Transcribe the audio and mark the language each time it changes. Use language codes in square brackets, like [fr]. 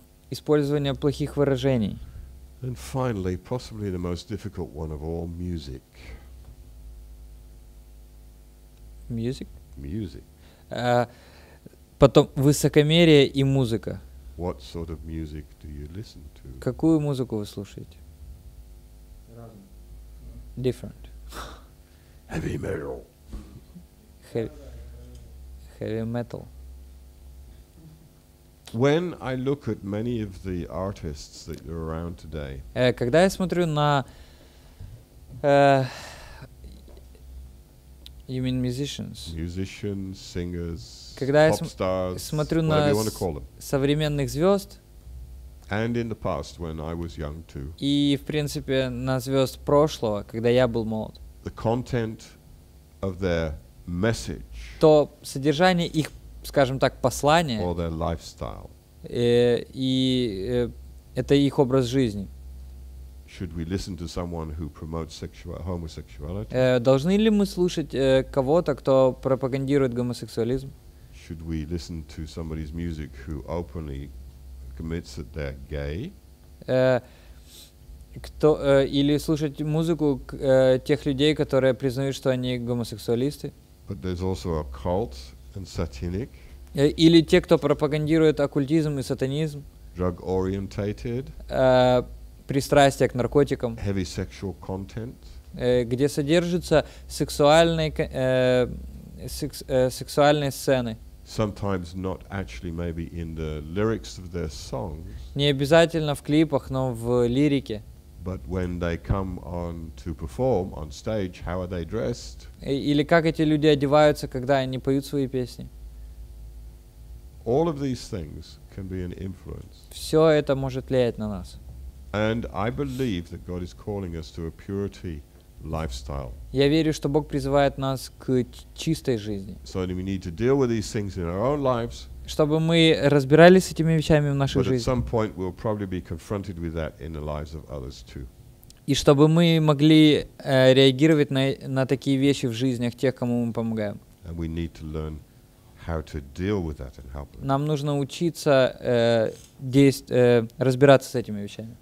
[ru] Использование плохих выражений. [en] And finally, possibly the most difficult one of all, music. Music? Music. [ru] Потом высокомерие и музыка. [en] What sort of music do you listen to? [ru] Какую музыку вы слушаете? Разную. [en] Different. Heavy metal. Heavy metal. When I look at many of the artists that are around today. [ru] Когда я смотрю на [en] you mean musicians? Musicians, singers, [ru] когда [en] pop stars, [ru] смотрю на [en] whatever you want to call them. [ru] Современных звёзд. [en] And in the past when I was young too. [ru] И в принципе на звёзд прошлого, когда я был молод. [en] The content of their message. [ru] То содержание их, скажем так, послание [en] or their lifestyle. [ru] Это их образ жизни. [en] Should we listen to someone who promotes homosexuality? [ru] Должны ли мы слушать кого-то, кто пропагандирует гомосексуализм? [en] Should we listen to somebody's music who openly commits that they're gay? [ru] Или слушать музыку тех людей, которые признают, что они гомосексуалисты? [en] But there's also a cult and satanic. [ru] Или те, кто пропагандирует оккультизм и сатанизм. [en] Drug oriented. [ru] Пристрастие к наркотикам. [en] Heavy sexual content. [ru] Где содержатся сексуальные сцены. [en] Sometimes not actually maybe in the lyrics of their songs. [ru] Не обязательно в клипах, но в лирике. [en] But when they come on to perform on stage, how are they dressed? [ru] Или как эти люди одеваются, когда они поют свои песни? [en] All of these things can be an influence. [ru] Все это может влиять на нас. [en] And I believe that God is calling us to a purity lifestyle. [ru] Я верю, что Бог призывает нас к чистой жизни. [en] So we need to deal with these things in our own lives. [ru] Чтобы мы разбирались с этими вещами в нашей [en] But [ru] жизни. [en] At some point we'll probably be confronted with that in the lives of others too. [ru] И чтобы мы могли реагировать на такие вещи в жизнях тех, кому мы помогаем. [en] And we need to learn how to deal with that and help them. [ru] Нам нужно учиться разбираться с этими вещами.